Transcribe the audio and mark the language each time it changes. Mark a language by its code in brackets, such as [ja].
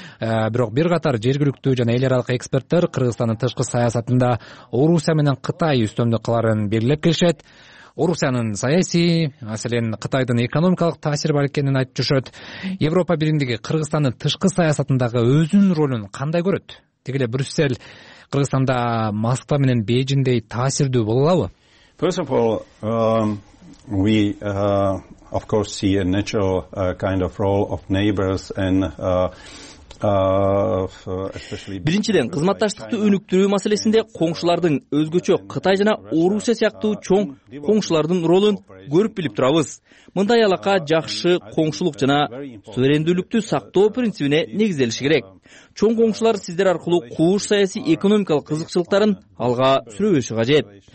[ky] Бирок бир катар жергиликтүү жана эл аралык эксперттер Кыргызстандын тышкы саясатында Орусия менен Кытай үстөмдүк кыларын белгилеп келишет. Орусиянын саясий, маселен Кытайдын экономикалык таасири бар экенин айтып жүрүшөт. Европа биримдиги Кыргызстандын тышкы саясатындагы өзүнүн ролун кандай көрөт? Тиги эле Брюссель Кыргызстанда Москва менен Бээжиндей таасирдүү боло алабы? [en] First of all, we of course see a natural kind of role of neighbors and especially [ky] биринчиден кызматташтыкты өнүктүрүү маселесинде коңшулардын өзгөчө Кытай жана Орусия сыяктуу чоң коңшулардын ролун көрүп билип турабыз. Мындай алака жакшы коңшулук жана суверендүүлүктү сактоо принцибине негизделиши керек. Чоң коңшулар сиздер аркылуу кууш саясий экономикалык кызыкчылыктарын алга сүрөбөшү кажет.